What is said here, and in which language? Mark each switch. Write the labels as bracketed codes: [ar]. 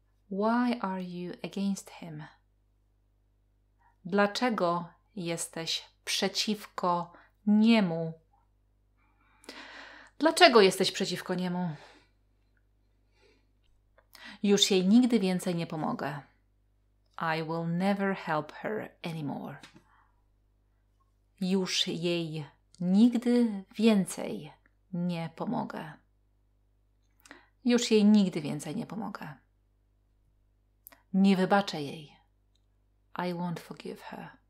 [en] Why are you against him? [pl] Dlaczego jesteś przeciwko niemu? Dlaczego jesteś przeciwko niemu? Już jej nigdy więcej nie pomogę. [en] I will never help her anymore. [pl] Już jej nigdy więcej nie pomogę. Już jej nigdy więcej nie pomogę. Nie wybaczę jej. [en] I won't forgive her.